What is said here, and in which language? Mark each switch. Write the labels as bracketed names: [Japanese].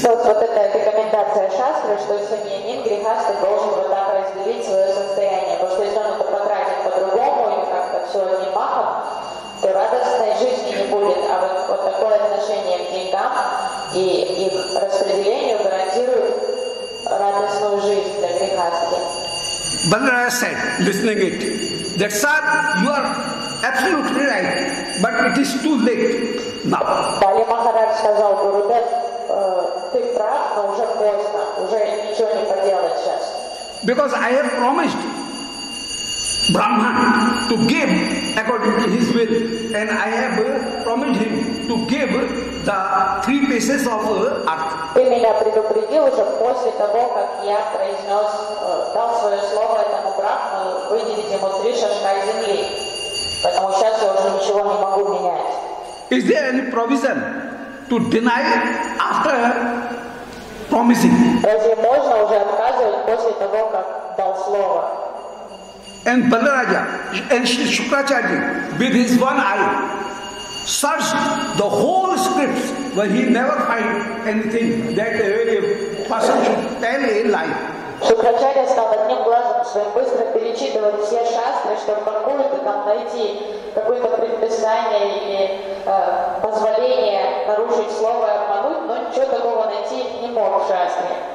[Russian] So, вот эта рекомендация шастры, что семьянин грехаста должен вот так разделить свое состояние. Потому что если он это потратит по-другому, и как-то все не махом, то радостной жизни не будет. А вот, вот такое отношение к деньгам и их распределению гарантирует радостную жизнь для грехасты. [English] Бандарая said, listening it, that sir, you are absolutely right, but it is too late now. [Russian] Далее Махарадж сказал, Гуру Дев, ты прав, но уже поздно, уже ничего не поделать сейчас. [English] Because I have promised Brahman to give according to his will, and I have promised him to give the three pieces of earth. [Russian] Ты меня предупредил уже после того, как я произнес, дал свое слово этому Брахману выделить ему три шашка земли. Поэтому сейчас я уже ничего не могу менять. [English] Is there any provision to deny after promising? [Russian] Разве можно уже отказывать после того, как дал слово? [English] And Balaraja and Shri Shukracharya with his one eye searched the whole scripts, but he never find anything that a person should tell a lie. [Russian] Shukracharya стал одним глазом своим быстро перечитывать все шастры, чтобы какое-то там найти какое-то предписание или позволение нарушить слово и обмануть, но ничего такого найти не мог в шастре.